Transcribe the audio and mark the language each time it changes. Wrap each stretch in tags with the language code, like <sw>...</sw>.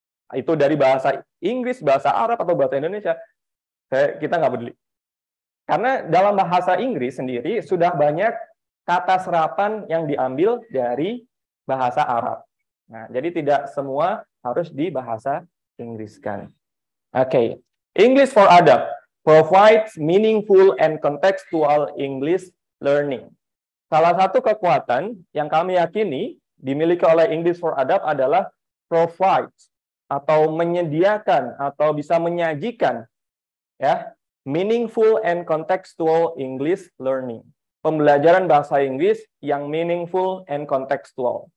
<id>Itu dari bahasa Inggris, bahasa Arab atau bahasa Indonesia, kita nggak peduli. Karena dalam bahasa Inggris sendiri sudah banyak kata serapan yang diambil dari bahasa Arab. Nah, jadi tidak semua harus di bahasa Inggriskan.</id> <en>Okay. English for Adult provides meaningful and contextual English learning.</en> <id>Salah satu kekuatan yang kami yakini dimiliki oleh English for Adult adalah provide atau menyediakan atau bisa menyajikan ya,</id> <en>meaningful and contextual English learning.</en> <id>Pembelajaran bahasa Inggris yang</id> <en>meaningful and contextual.</en>